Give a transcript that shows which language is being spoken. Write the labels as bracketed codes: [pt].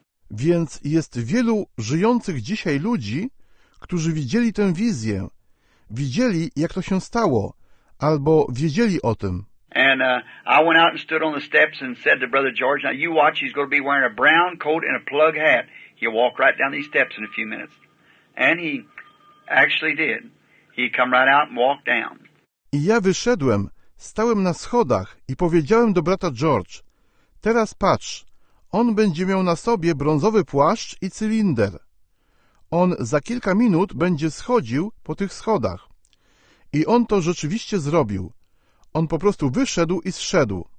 [pl] Więc jest wielu żyjących dzisiaj ludzi, którzy widzieli tę wizję. Widzieli, jak to się stało, albo wiedzieli o tym. [en] And I went out and stood on the steps and said to Brother George, now you watch, he's going to be wearing a brown coat and a plug hat. He'll walk right down these steps in a few minutes. And he actually did. He come right out and walked down. [pl] I ja wyszedłem. Stałem na schodach i powiedziałem do brata George, teraz patrz, on będzie miał na sobie brązowy płaszcz i cylinder. On za kilka minut będzie schodził po tych schodach. I on to rzeczywiście zrobił. On po prostu wyszedł i zszedł.